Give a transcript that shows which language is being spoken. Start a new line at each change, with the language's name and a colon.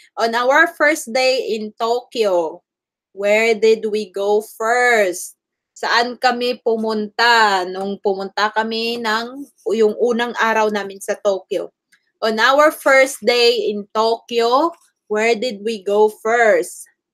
English: On our first day in Tokyo, where did we go first?
Filipino: Saan kami pumunta nung pumunta kami ng yung unang araw namin sa Tokyo?
English: On our first day in Tokyo, where did we go first?